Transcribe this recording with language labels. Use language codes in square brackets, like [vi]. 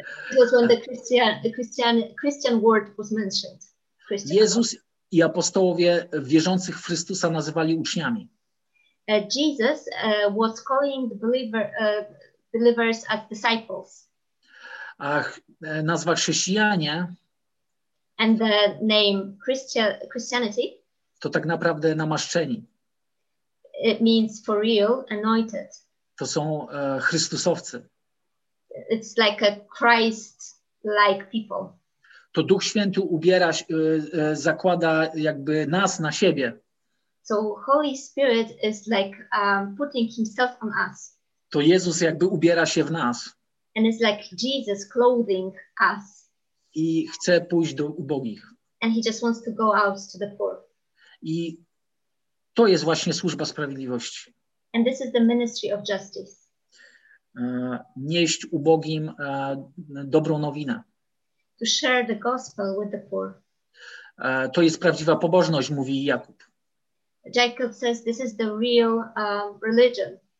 [en] To was when the Christian word was mentioned. [pl] Jezus i apostołowie wierzących w Chrystusa nazywali uczniami. [en] Jesus was calling the believers as disciples. [pl] Ach, nazwa chrześcijanie. [en] And the name Christianity. [pl] To tak naprawdę namaszczeni. [en] It means for real, anointed. [pl] To są Chrystusowcy. [en] It's like a Christ-like people. [pl] To Duch Święty ubiera, zakłada jakby nas na siebie. [en] So Holy Spirit is like putting himself on us. [pl] To Jezus jakby ubiera się w nas. [en] And it's like Jesus clothing us. [pl] I chce pójść do ubogich. [en] And he just wants to go out to the poor. [pl] I to jest właśnie służba sprawiedliwości. [en] And this is the ministry of justice. [pl] Nieść ubogim dobrą nowinę. [en] To share the gospel with the poor. [pl] To jest prawdziwa pobożność, mówi Jakub. [en] Jacob says this is the real religion.